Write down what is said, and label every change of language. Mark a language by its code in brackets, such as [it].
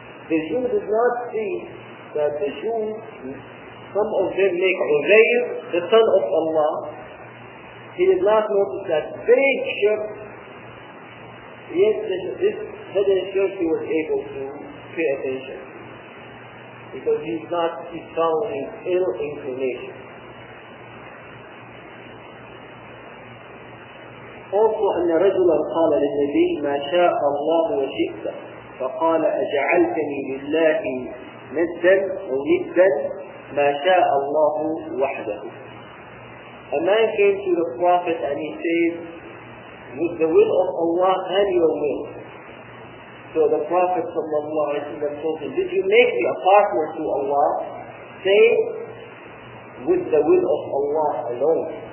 [en] The Jew does not see that the Jew, some of them make Uzair, the son of Allah, he did not notice that big shirk, yet this hidden shirk he was able to pay attention. Because he's following ill inclination. Also, [ar] أن رجلا قال للنبي ما شاء الله وشئت فقال أجعلتني لله ندا وندا ما شاء الله وحده. [en] A man came to the Prophet and he said, with the will of Allah and your will. So the Prophet sallallahu alayhi wa sallam told him, did you make me a partner to Allah? Say, with the will of Allah alone.